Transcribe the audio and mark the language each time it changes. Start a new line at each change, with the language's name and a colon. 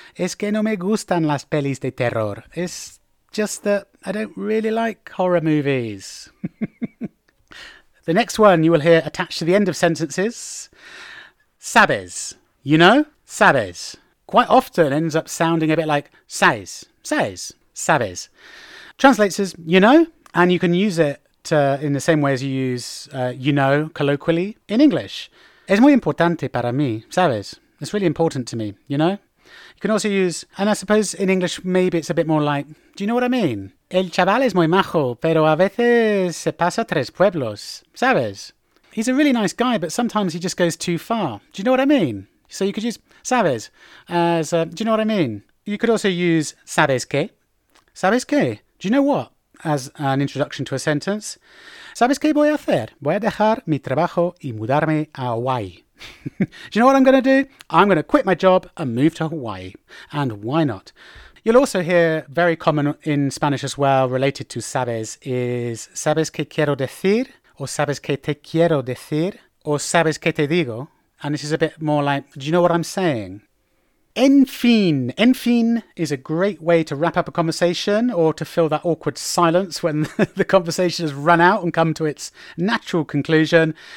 Spanish: Es que no me gustan las pelis de terror.
English: It's just that I don't really like horror movies. The next one you will hear attached to the end of sentences. Sabes. You know? Sabes. Quite often ends up sounding a bit like sabes. Sabes. Sabes. Translates as you know, and you can use it in the same way as you use, you know, colloquially in English.
Spanish: Es muy importante para mí, ¿sabes?
English: It's really important to me, you know? You can also use, and I suppose in English maybe it's a bit more like, do you know what I mean?
Spanish: El chaval es muy majo, pero a veces se pasa tres pueblos, ¿sabes?
English: He's a really nice guy, but sometimes he just goes too far. Do you know what I mean? So you could use ¿sabes? As, do you know what I mean? You could also use ¿sabes qué? ¿Sabes qué? Do you know what? As an introduction to a sentence.
Spanish: ¿Sabes qué voy a hacer? Voy a dejar mi trabajo y mudarme a Hawaii.
English: Do you know what I'm going to do? I'm going to quit my job and move to Hawaii. And why not? You'll also hear very common in Spanish as well, related to sabes, is
Spanish: sabes que quiero decir,
English: or
Spanish: sabes que te quiero decir,
English: or
Spanish: sabes que te digo.
English: And this is a bit more like, do you know what I'm saying? En fin is a great way to wrap up a conversation or to fill that awkward silence when the conversation has run out and come to its natural conclusion.